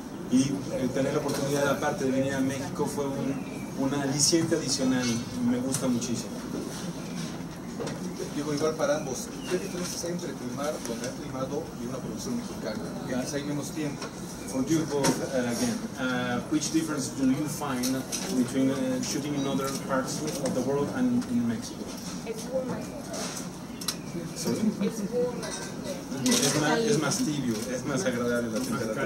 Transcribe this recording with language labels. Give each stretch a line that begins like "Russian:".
Spanish: Y tener la oportunidad, aparte de venir a México, fue un aliciente adicional, me gusta muchísimo. Digo, igual para ambos, ¿qué diferencia hay entre filmar donde ha filmado y una producción mexicana? Y antes hay menos tiempo.
English: For you both, again, which difference do you find between shooting in other parts of the world and in Mexico? It's warmer. Sorry? It's warmer.
Spanish: es más tibio, es más agradable la temperatura.